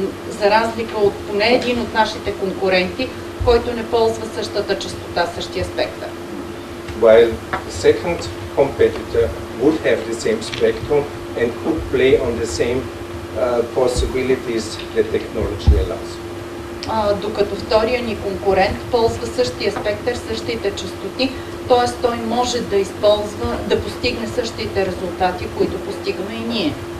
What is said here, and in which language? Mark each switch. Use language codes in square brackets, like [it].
[bg] За разлика от поне един от нашите конкуренти, който не ползва същата частота, същия спектър. [en] While second competitor would have the same spectrum and could play on the same possibilities that technology allows. [bg] Докато втория ни конкурент ползва същия спектър, същите частоти, т.е. той може да използва, да постигне същите резултати, които постигаме и ние.